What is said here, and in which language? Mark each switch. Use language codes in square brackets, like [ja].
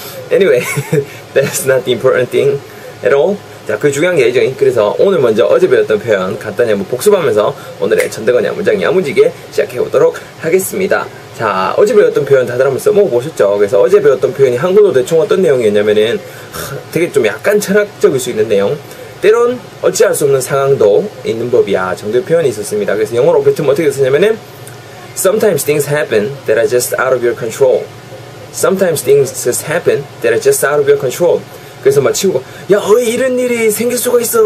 [en] Anyway, that's not the important thing at all. [ko] 자, 그 중요한 게 예정이. 그래서 오늘 먼저 어제 배웠던 표현 간단히 한번 복습하면서 오늘의 전대건의 문장 야무지게 시작해보도록 하겠습니다. 자, 어제 배웠던 표현 다들 한번 써먹어보셨죠? 그래서 어제 배웠던 표현이 한글로 대충 어떤 내용이었냐면은 되게 좀 약간 철학적일 수 있는 내용, 때론 어찌할 수 없는 상황도 있는 법이야 정도의 표현이 있었습니다. 그래서 영어로 뱉으면 어떻게 쓰냐면은 [en] Sometimes things happen that are just out of your control. Sometimes things just happen that are just out of your control. [ko] 그래서 막 친구가 야, 왜 이런 일이 생길 수가 있어?